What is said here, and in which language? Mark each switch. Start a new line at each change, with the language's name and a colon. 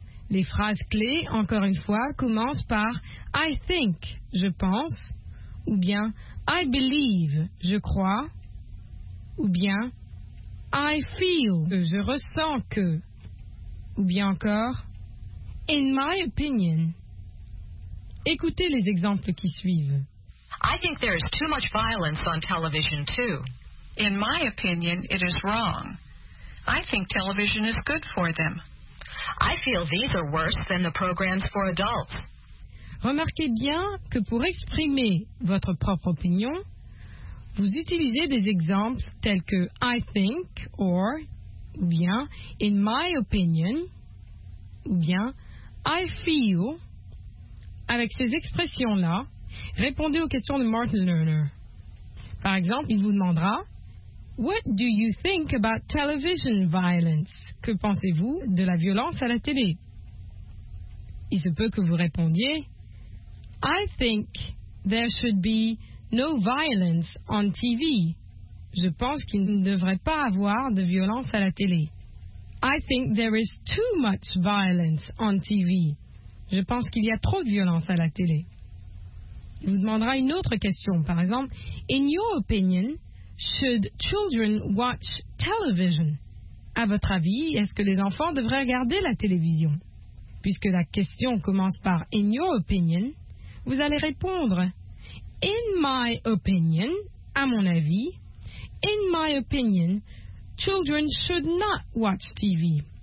French: Les phrases clés, encore une fois, commencent par «
English: I think
French: », je pense, ou bien «
English: I believe
French: », je crois, ou bien «
English: I feel
French: », je ressens que, ou bien encore «
English: In my opinion ».
French: Écoutez les exemples qui suivent.
English: « I think there is too much violence on television, too. In my opinion, it is wrong. I think television is good for them. » I feel these are worse than the programs for adults.
French: Remarquez bien que pour exprimer votre propre opinion, vous utilisez des exemples tels que
English: I think or
French: ou bien
English: in my opinion
French: ou bien
English: I feel.
French: Avec ces expressions-là, répondez aux questions de Martin Lerner. Par exemple, il vous demandera
English: What do you think about television violence?
French: Que pensez-vous de la violence à la télé? Il se peut que vous répondiez
English: I think there should be no violence on TV.
French: Je pense qu'il ne devrait pas avoir de violence à la télé.
English: I think there is too much violence on TV.
French: Je pense qu'il y a trop de violence à la télé. Il vous demandera une autre question, par exemple
English: In your opinion, should children watch television?
French: À votre avis, est-ce que les enfants devraient regarder la télévision? Puisque la question commence par «
English: In your opinion
French: », vous allez répondre «
English: In my opinion
French: », à mon avis, «
English: In my opinion, children should not watch TV ».